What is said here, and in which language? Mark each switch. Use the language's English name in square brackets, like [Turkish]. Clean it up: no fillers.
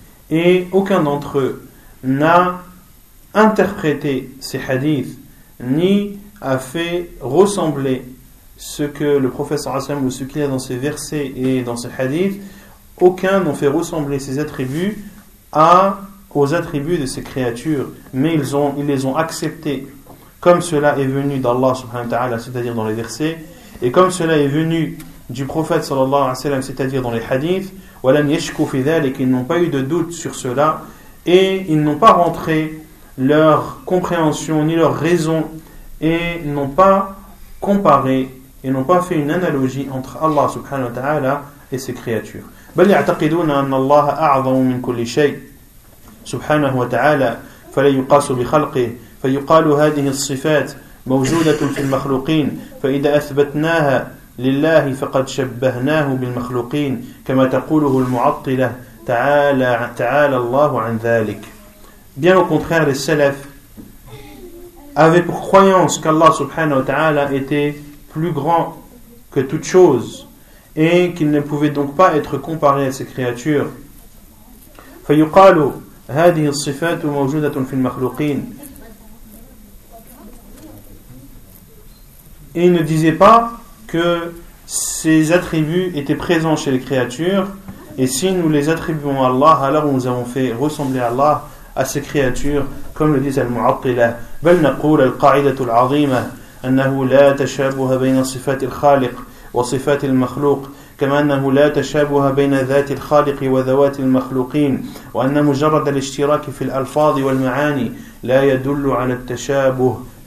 [French] Et aucun d'entre eux n'a interprété ces hadiths ni a fait ressembler ce que le prophète sallam ou ce qu'il a dans ses versets et dans ses hadiths, aucun n'a fait ressembler ces attributs aux attributs de ces créatures, mais ils les ont acceptés comme cela est venu d'Allah subhanahu wa ta'ala, c'est-à-dire dans les versets, et comme cela est venu du prophète sallallahu alayhi wa sallam, c'est-à-dire dans les hadiths. [Arabic] وَلَمْ يَشْكُوا فِي ذَلِكَ, [French] ils n'ont pas eu de doute sur cela, et ils n'ont pas rentré leur compréhension ni leur raison, et n'ont pas comparé et n'ont pas fait une analogie entre Allah subhanahu wa ta'ala et ses créatures. [Arabic] بَلْ يَعْتَقِدُونَ أَنَّ اللَّهَ أَعْظَمُ مِنْ كُلِّ شَيْءٍ سُبْحَانَهُ وَتَعَالَى فَلَا يُقَاسُ بِخَلْقِهِ فَيُقَالُ هَذِهِ الصِّفَاتُ مَوْجُودَةٌ فِي الْمَخْلُوقِينَ فَإِذَا أَثْبَتْنَاهَا لله فقد شبهناه بالمخلوقين كما تقوله المعطلة تعالى الله عن ذلك. [French] Bien au contraire, les salafs avaient pour croyance qu'Allah subhanahu wa ta'ala était plus grand que toute chose et qu'il ne pouvait donc pas être comparé à ses créatures. [Arabic] فيقال هذه الصفات موجودة في المخلوقين. [French] Il ne disait pas que ces attributs étaient présents chez les créatures, et si nous les attribuons à Allah, alors nous avons fait ressembler à Allah à ces créatures, comme le disent al-Mu'attila. [Arabic] بل نقول القاعدة العظيمة أنه لا تشابه بين صفات الخالق وصفات المخلوق كما أنه لا تشابه بين ذات الخالق وذوات المخلوقين وأن مجرد الاشتراك في الألفاظ والمعاني لا يدل على التشابه.